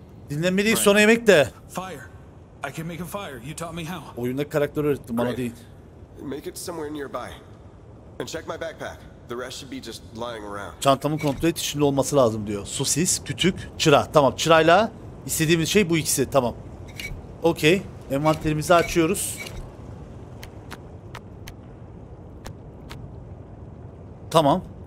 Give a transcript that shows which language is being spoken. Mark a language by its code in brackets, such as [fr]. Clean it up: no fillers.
[tr] Dinlenmeliyiz, sonra yemek de. [en] I can make a fire. You taught me how. [tr] Oyunda karakter öğrettin bana değil. [en] Make it somewhere nearby. And check my backpack. The rest should be just lying around. [tr] Çantamın kontrol et, içinde olması lazım diyor. Sosis, kütük, çıra. Tamam, çırayla istediğimiz şey bu ikisi. Tamam. Okey. Envanterimizi açıyoruz. Tamam.